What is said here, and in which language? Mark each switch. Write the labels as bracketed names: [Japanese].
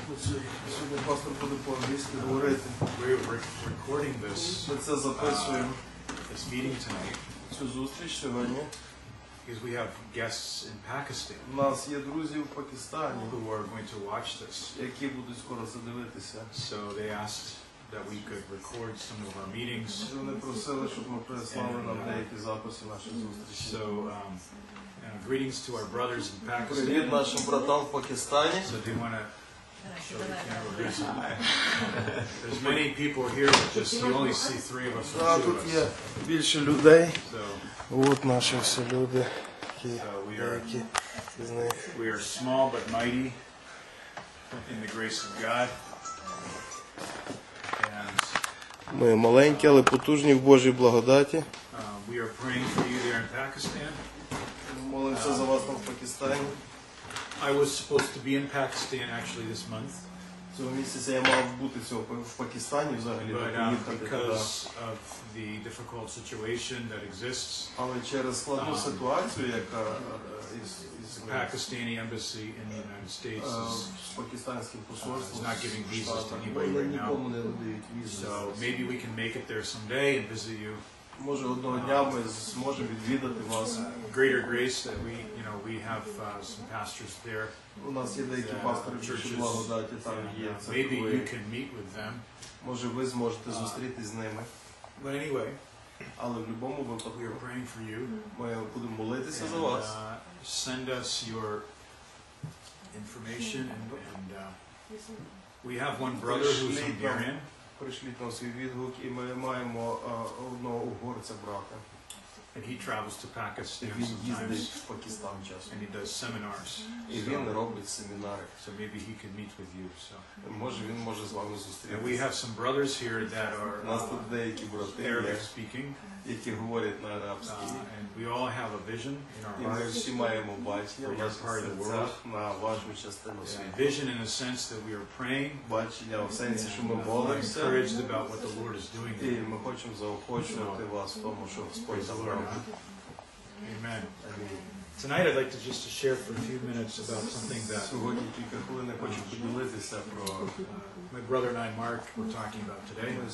[Ukrainian] Сьогодні пастор буде по-англійськи говорити. [English] We're recording this. [Ukrainian] Ми це записуємо. [English] This meeting tonight. [Ukrainian] Цю зустріч сьогодні. [English] Because we have guests in Pakistan. [Ukrainian] У нас є друзі в Пакистані, [English] who are going to watch this. [Ukrainian] Які будуть скоро це дивитися. [English] So they asked that we could record some of our meetings. [Ukrainian] Вони просили, щоб ми прислали нам деякі записи наших зустрічей. [English] So greetings to our brothers in Pakistan. [Ukrainian] Привіт нашим братам в Пакистані. [English] So do you want to show the camera? There's many people here, but just you only see three of us. [Ukrainian] Да, тут є більше людей. От наші всі люди, які з них. [English] We are small but mighty in the grace of God. And [Ukrainian] ми маленькі, але потужні в Божій благодаті. [English] We are praying for you there in Pakistan. [Ukrainian] Молимося за вас там в Пакистані. [English] I was supposed to be in Pakistan actually this month. [Ukrainian] Цього місяця я мав бути в Пакистані взагалі, [English] because of the difficult situation that exists. [Ukrainian] Але через складну ситуацію, яка [English] the Pakistani embassy in the United States is [Ukrainian] пакистанським посольством [English] not giving visas to anybody right now. So maybe we can make it there someday and visit you. [Ukrainian] Може одного дня ми зможемо відвідати вас. [English] Greater grace that we, you know, we have some pastors there. [Ukrainian] У нас є деякі пастори, що благодаті там є. [English] Maybe you can meet with them. [Ukrainian] Може ви зможете зустрітись з ними. [English] But anyway, [Ukrainian] але в будь-якому випадку, [English] we are praying for you. [Ukrainian] Ми будемо молитися за вас. [English] Send us your information and we have one brother who's in Bahrain. [Ukrainian] Пришліть нам свій відгук, і ми маємо одного угорця брата. [English] And he travels to Pakistan sometimes. [Ukrainian] Він їздить в Пакистан часто. [English] And he does seminars. [Ukrainian] І він робить семінари. [English] So maybe he can meet with you. [Ukrainian] Може, він може з вами зустрітися. [English] And we have some brothers here that are [Ukrainian] деякі брати, [English] Arabic speaking. [Ukrainian] Які говорять на арабській. [English] And we all have a vision in our hearts. [Ukrainian] І ми всі маємо бачення. [English] For your part of the world. [Ukrainian] На важливу частину світу. [English] Vision in the sense that we are praying. [Ukrainian] Бачення в сенсі, що ми молимося. [English] We're encouraged about what the Lord is doing. [Ukrainian] І ми хочемо заохочувати вас в тому, що Господь зробив. [English] Amen. Tonight I'd like to just to share for a few minutes about something that [Ukrainian] сьогодні кілька хвилин хочу поділитися про [English] my brother and I, Mark, were talking about today.